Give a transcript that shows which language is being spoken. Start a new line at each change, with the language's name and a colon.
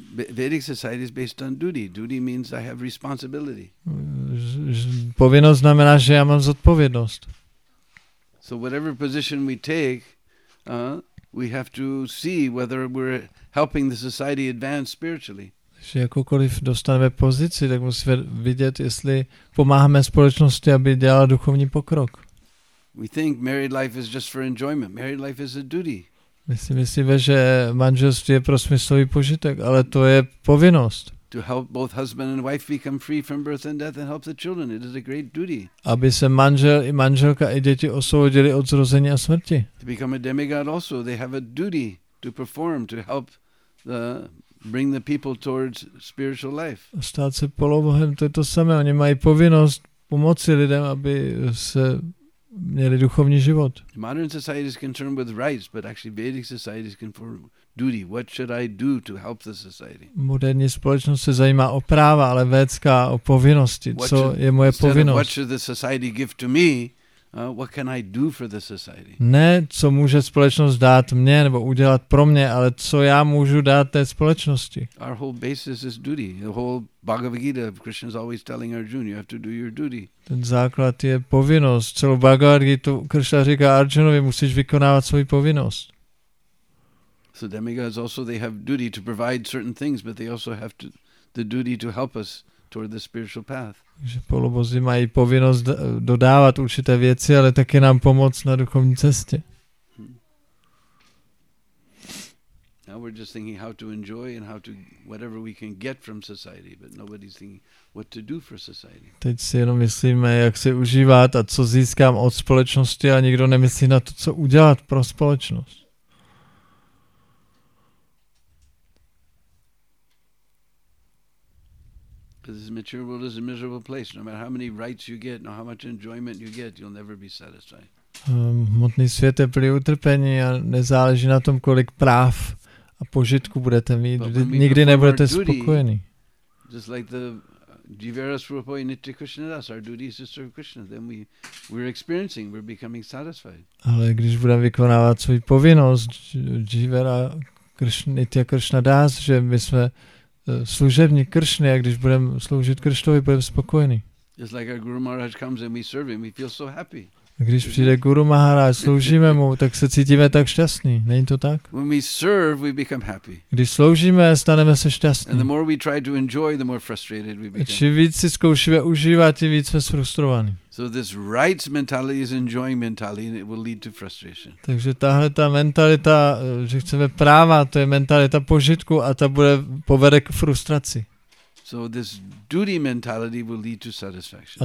English: Vedic society is based on duty. Duty means I have responsibility.
Czech: Povinnost znamená, že já mám zodpovědnost.
English: So whatever position we take, we have to see whether we're helping the society advance spiritually.
Czech: Že jakoukoliv dostaneme pozici, tak musíme vidět, jestli pomáháme společnosti, aby dělala duchovní pokrok.
English: We think married life is just for enjoyment. Married life is a duty.
Czech: My si myslíme, že manželství je pro smyslový požitek, ale to je povinnost.
English: To help both husband and wife become free from birth and death and help the children. It is a great duty.
Czech: Aby se manžel i manželka i děti osvobodili od zrození a smrti.
English: To become a demigod also, they have a duty to perform to help the bring the people towards spiritual life.
Czech: Stát se polobohem, to je to samé. Oni mají povinnost pomoci lidem, aby se měli duchovní život.
English: Modern society is concerned with rights, but actually Vedic society is concerned with duty. What should I do to help the society?
Czech: Moderní společnost se zajímá o práva, ale vědská o povinnosti. Co je moje povinnost?
English: What should the society give to me? What can I do for the society?
Czech: Ne, co může společnost dát mně nebo udělat pro mě, ale co já můžu dát té společnosti?
English: Our whole basis is duty. The whole Bhagavad Gita, Krishna is always telling Arjuna, you have to do your duty.
Czech: Ten základ je povinnost. Celou Bhagavad Gita Krishna říká Arjunovi, musíš vykonávat svou povinnost.
English: So demigods also they have duty to provide certain things, but they also have to the duty to help us toward the spiritual path.
Czech: Že polobozy mají povinnost dodávat určité věci, ale taky nám pomoct na duchovní cestě.
English: Now we're just thinking how to enjoy and how to whatever we can get from society, but nobody's thinking what to do for society.
Czech: Teď si jenom myslíme, jak se užívat a co získám od společnosti, a nikdo nemyslí na to, co udělat pro společnost.
English: This material world is a miserable place. No matter how many rights you get, no how much enjoyment you get, you'll never be satisfied.
Czech: Hmotný svět je plný utrpení a nezáleží na tom, kolik práv a požitku budete mít. Nikdy nebudete spokojení.
English: Just like the
Sanskrit: Jivaras Rupoi Nitya Krishna Das,
English: our duty is to serve Krishna. Then we're experiencing, we're becoming satisfied.
Czech: Ale když budeme vykonávat svůj povinnost,
Sanskrit: Jivara Krishna Nitya Krishna Das,
Czech: že my jsme služební Kršny, a když budeme sloužit Krštovi, budeme spokojení.
English: It's like our Guru Maharaj comes and we serve him, we feel so happy.
Czech: Když přijde Guru Maharaj, sloužíme mu, tak se cítíme tak šťastní. Není to tak?
English: When we serve, we become happy.
Czech: Když sloužíme, staneme se šťastní.
English: And the more we try to enjoy, the more frustrated we become.
Czech: Čím víc si zkoušíme užívat, tím víc jsme frustrovaní.
English: So this rights mentality is enjoying mentality and it will lead to frustration.
Czech: Takže tahle ta mentalita, že chceme práva, to je mentalita požitku a ta bude povede k frustraci.
English: So this duty mentality will lead to satisfaction.